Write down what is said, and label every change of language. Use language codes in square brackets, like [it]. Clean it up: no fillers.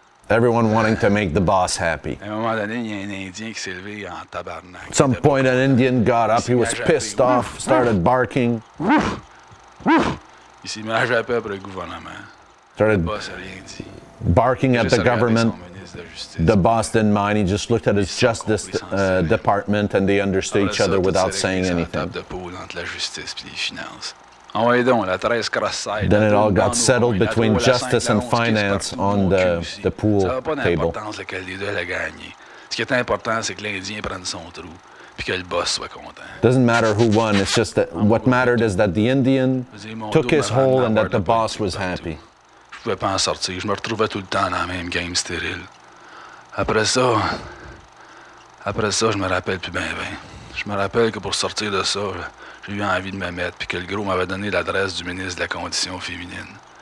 [en] Everyone wanting to make the boss happy. [fr] À un moment donné, il y a un Indien qui s'est levé en tabarnak. [en] At some point, an Indian got up. He was pissed off, started barking. [fr] Il s'est mis à japper après le gouvernement. [en] Started barking at the government. The boss didn't mind. He just looked at his justice department and they understood each other without saying anything. Then it all got settled between justice and finance on the pool table. Doesn't matter who won. It's just that what mattered is that the Indian took his hole and that the boss was happy. [fr] Je pouvais pas en sortir, je me retrouvais tout le temps dans la même game stérile. Après ça, je me rappelle plus bien. Je me rappelle que pour sortir de ça, j'ai eu envie de me mettre, puis que le gros m'avait donné l'adresse du ministre de la Condition féminine.